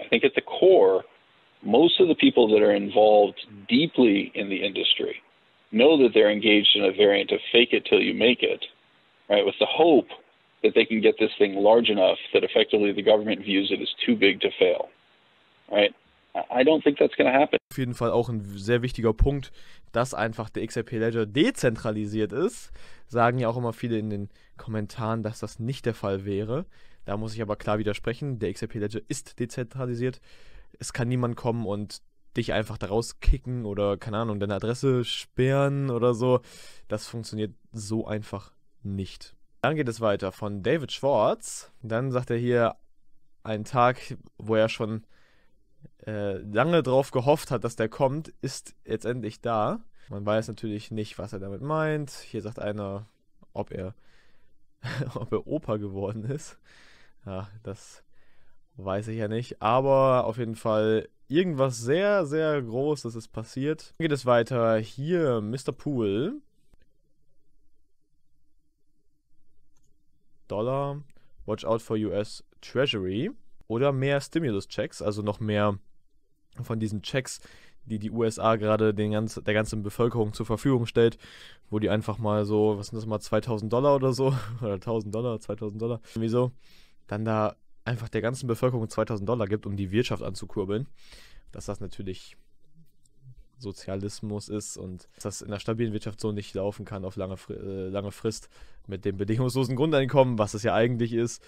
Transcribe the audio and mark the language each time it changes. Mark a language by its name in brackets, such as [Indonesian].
[English] I think at the core, most of the people that are involved deeply in the industry know that they're engaged in a variant of fake it till you make it, right? With the hope that they can get this thing large enough that effectively the government views it as too big to fail, right? I don't think that's going to happen. [German] Auf jeden Fall auch ein sehr wichtiger Punkt, dass einfach der XRP Ledger dezentralisiert ist. Sagen ja auch immer viele in den Kommentaren, dass das nicht der Fall wäre. Da muss ich aber klar widersprechen, der XRP Ledger ist dezentralisiert. Es kann niemand kommen und dich einfach da rauskicken oder, keine Ahnung, deine Adresse sperren oder so. Das funktioniert so einfach nicht. Dann geht es weiter von David Schwartz. Dann sagt er hier einen Tag, wo er schon lange drauf gehofft hat, dass der kommt, ist jetzt endlich da. Man weiß natürlich nicht, was er damit meint. Hier sagt einer, ob er Opa geworden ist. Ja, das weiß ich ja nicht. Aber auf jeden Fall irgendwas sehr, sehr Großes ist passiert. Dann geht es weiter. Hier Mr. Pool. Dollar. [English] Watch out for US Treasury. [German] Oder mehr Stimulus-Checks. Also noch mehr von diesen Checks, die die USA gerade der ganzen Bevölkerung zur Verfügung stellt, wo die einfach mal so, was sind das mal, $2,000 oder so, oder $1,000, $2,000, irgendwie so, dann da einfach der ganzen Bevölkerung $2,000 gibt, um die Wirtschaft anzukurbeln, dass das natürlich Sozialismus ist und das in einer stabilen Wirtschaft so nicht laufen kann auf lange Frist mit dem bedingungslosen Grundeinkommen, was es ja eigentlich ist.